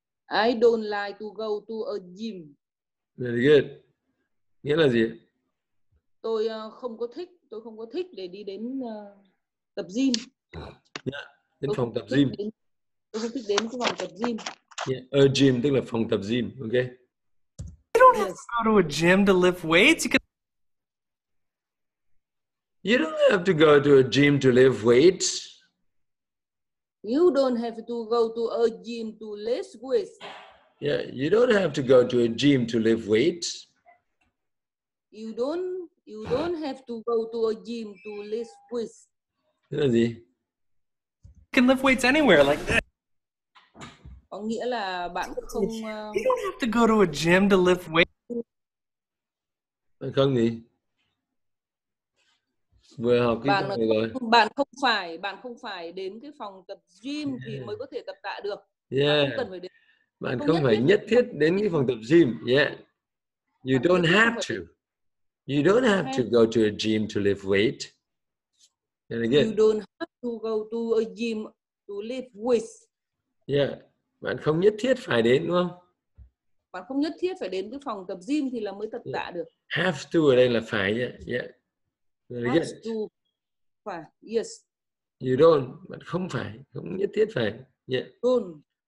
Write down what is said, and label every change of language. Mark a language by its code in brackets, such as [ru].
[en] I don't like to go to a gym. Very good. [vi] Nghĩa là gì? Tôi không có thích, tôi không có thích để đi đến tập gym. Yeah, đến phòng tập gym. Tôi không thích đến cái phòng tập gym. Yeah, a gym tức là phòng tập gym, okay? [en] You don't have to go to a gym to lift weights. You can. You don't have to go to a gym to lift weights. You don't have to go to a gym to lift weights. Yeah, you don't have to go to a gym to lift weights. You don't have to go to a gym to lift weights. [vi] Cái là gì? [en] You can lift weights anywhere like that. [vi] Có nghĩa là bạn không [en] You don't have to go to a gym to lift weights. [vi] Không gì? Vừa học cái bạn này rồi. Bạn không phải đến cái phòng tập gym thì mới có thể tập tạ được. [en] Yeah. [vi] Bạn không phải nhất thiết đến cái phòng tập gym. [en] Yeah. You don't have to. You don't have to go to a gym to lift weight. And again. You don't have to go to a gym to lift weights. Yeah. [vi] Bạn không nhất thiết phải đến đúng không? Bạn không nhất thiết phải đến cái phòng tập gym thì là mới tập tạ được. [en] Have to [vi] ở đây là phải. [en] Yeah. Yeah. Have yes. To. [vi] Phải. [en] Yes. You don't. [vi] Bạn không phải. Không nhất thiết phải. Yeah. [en] Don't.